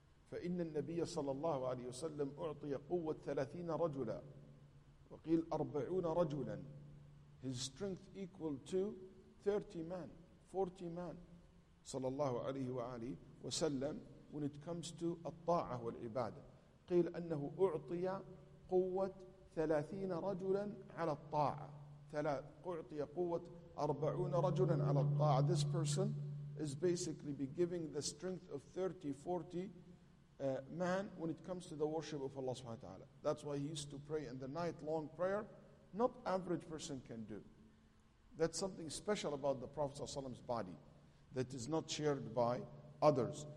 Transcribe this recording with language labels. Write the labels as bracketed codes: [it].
[ar] فَإِنَّ النَّبِيَّ صَلَّى اللَّهُ عَلَيْهِ وَسَلَّمْ أُعْطِيَ قُوَّةَ 30 رَجُلًا وَقِيلْ 40 رَجُلًا. [en] His strength equal to 30 men, 40 men, [ar] صلى الله عليه وآله وسلم, [en] when it comes to [ar] الطاعة والعبادة. قيل أنه أعطي قوة 30 رجلا على الطاعة. أعطي قوة 40 رجلا على الطاعة. [en] This person is basically be giving the strength of 30, 40 man when it comes to the worship of Allah subhanahu wa ta'ala. That's why he used to pray in the night long prayer. Not average person can do. That's something special about the Prophet sallallahu alayhi wa sallam's body that is not shared by others.